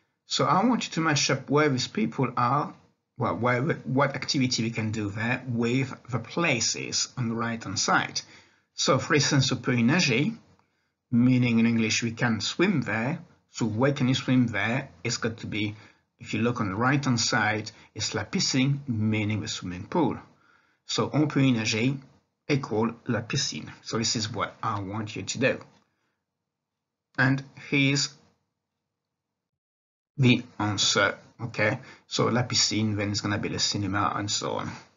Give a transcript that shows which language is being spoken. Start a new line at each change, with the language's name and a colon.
English: So, I want you to match up where these people are, well, where, what activity we can do there with the places on the right-hand side. So, for instance,
French: on peut y nager,
English: meaning in English, we can swim there. So, where can you swim there? It's got to be, if you look on the right-hand side, it's
French: la piscine,
English: meaning the swimming pool. So,
French: on peut y nager
English: equal
French: la piscine.
English: So, this is what I want you to do. And here's the answer, okay? So,
French: la piscine,
English: then it's going to be the cinema and so on.